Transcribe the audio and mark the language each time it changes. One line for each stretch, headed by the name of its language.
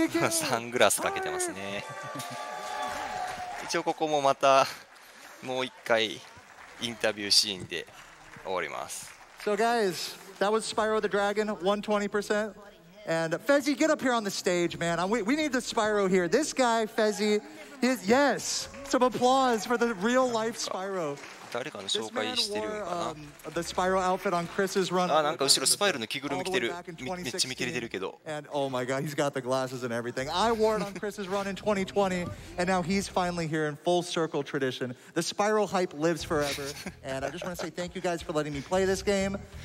Japanese: サングラスかけてますね。一応ここもまたもう一回インタビューシーンで終わります。
English: So guys, that was Spyro the Dragon 120%. And Fezzy, get up here on the stage, man. We need the Spyro here. This guy, Fezzy, is, yes, some applause for the real life Spyro.
Japanese: 誰かの紹介してるのかな。あ、なんか後ろスパイルの着ぐるみ着てる。めっちゃ見切れてるけど。
English: Oh my god, he's got the glasses and everything. I wore it on Chris's run in 2020, and now he's finally here in full circle tradition. The Spyro hype lives forever. And I just want to say thank you guys for letting me play this game.